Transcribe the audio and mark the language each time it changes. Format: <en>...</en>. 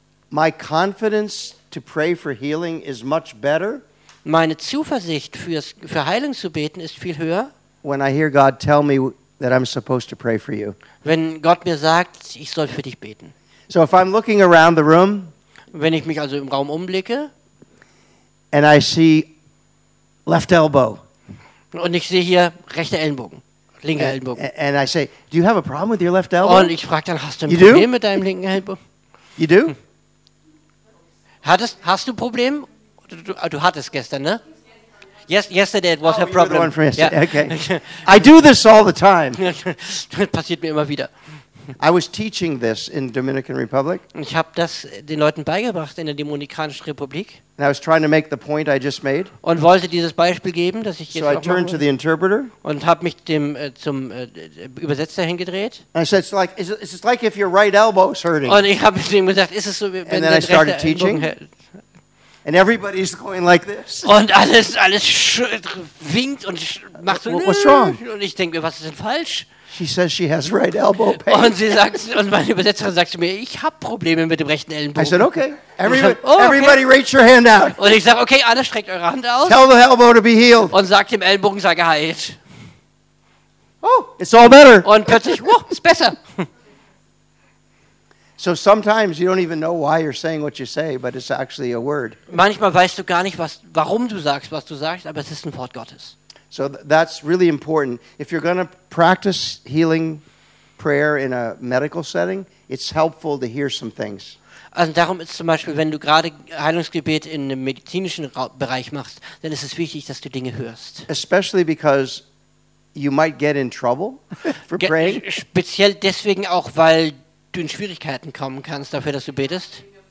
<en>My confidence to pray for healing is much better.</en> <de>Meine Zuversicht für Heilung zu beten ist viel höher.</de> <en>When I hear God tell me that I'm supposed to pray for you.</en> <de>Wenn Gott mir sagt, ich soll für dich beten.</de> <en>So if I'm looking around the room,</en> <de>wenn ich mich also im Raum umblicke,</de> <en>and I see left elbow.</en> <de>Und ich sehe hier rechter Ellenbogen. Linker Ellenbogen.</de> <en>And I say, do you have a problem with your left elbow?</en> <de>Und ich frage dann, hast du ein Problem mit deinem linken Ellenbogen?</de> <en>You do?</en> <de>Hast du Problem? Du hattest gestern, ne?</de> <en>Yes, yesterday it was her problem. The one from yesterday. Yeah. Okay. I do this all the time.</en> <de>Das passiert mir immer wieder.</de> <en>I was teaching this in Dominican Republic.</en> <de>Ich habe das den Leuten beigebracht in der Dominikanischen Republik.</de> <en>And I was trying to make the point I just made.</en> <de>Und wollte dieses Beispiel geben, das ich jetzt</de> <en>so I turned to the interpreter.</en> <de>Und habe mich zum Übersetzer hingedreht.</de> <en>And I said, it's like if your right elbow is hurting.</en> <de>Und ich habe ihm gesagt, ist es so, wenn dein rechter Ellenbogen hält.</de> <en>And everybody's going like this.</en> <de>Und alles winkt und macht so.</de> <en>What's wrong?</en> <de>Und ich denke mir, was ist denn falsch?</de> <en>She says she has right elbow pain.</en> <de>Und sie sagt, und meine Übersetzerin sagt zu mir, ich habe Probleme mit dem rechten Ellenbogen.</de> <en>I said, okay. Everybody raise your hand out.</en> <de>Und ich sage, okay, alle streckt eure Hand aus.</de> <en>Tell the elbow to be healed.</en> <de>Und sagt dem Ellenbogen, sei geheilt.</de> <en>Oh, it's all better.</en> <de>Und plötzlich, ist besser.</de> <en>So sometimes you don't even know why you're saying what you say, but it's actually a word.</en> <de>Manchmal weißt du gar nicht, warum du sagst, was du sagst, aber es ist ein Wort Gottes.</de> <en>So that's really important. If you're going to practice healing prayer in a medical setting, it's helpful to hear some things.</en> <de>Also darum ist zum Beispiel, wenn du gerade Heilungsgebet in einem medizinischen Bereich machst, dann ist es wichtig, dass du Dinge hörst.</de> <en>Especially because you might get in trouble for praying.</en> <de>Speziell deswegen auch, weil du in Schwierigkeiten kommen kannst dafür, dass du betest.</de>